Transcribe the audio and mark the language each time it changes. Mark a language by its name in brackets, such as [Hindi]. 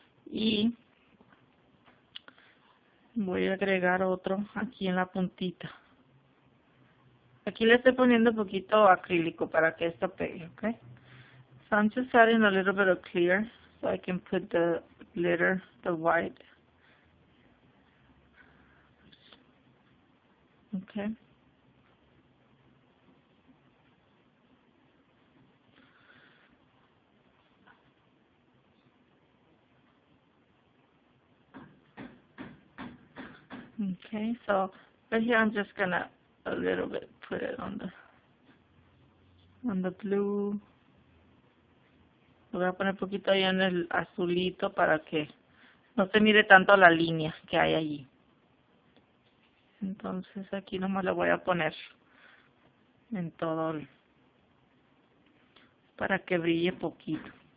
[Spanish] Y voy a agregar otro aquí en la puntita. Aquí le estoy poniendo un poquito acrílico para que esto pegue, ok. [English] So I'm just adding a little bit of clear so I can put the glitter, the white. Okay. Okay, so But here I'm just gonna a little bit put it on the blue. [Spanish] Lo voy a poner poquito ahí en el azulito para que no se mire tanto la línea que hay allí. Entonces aquí nomás lo voy a poner en todo el, para que brille poquito.